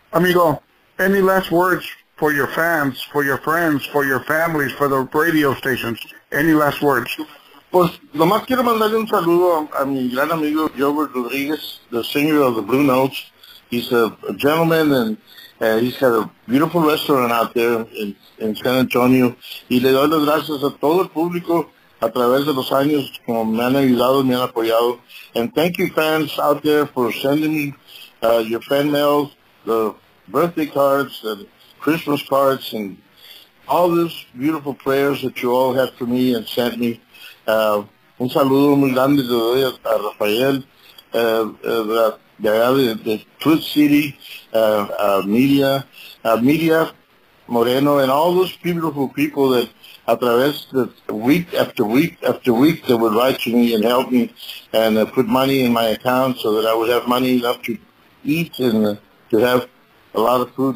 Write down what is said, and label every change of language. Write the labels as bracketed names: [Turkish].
[English] Amigo, any last words for your fans, for your friends, for your families, for the radio stations? Any last words? [Spanish] Pues, nomás quiero mandarle un saludo a mi gran amigo, Robert Rivas, [English] the singer of the Blue Notes. He's a gentleman, and he's got a beautiful restaurant out there in San Antonio. [Spanish] Y le doy las gracias a todo el público a través de los años como me han ayudado, me han apoyado. [English] And thank you, fans out there, for sending me your fan mail, the birthday cards, the Christmas cards, and all those beautiful prayers that you all have for me and sent me. [Spanish] Un saludo muy grande de hoy a [English] Rafael, the Truth City, Media Moreno, and all those beautiful people that [Spanish] a través de [English] week after week after week that would write to me and help me and put money in my account so that I would have money enough to eat and to have a lot of food.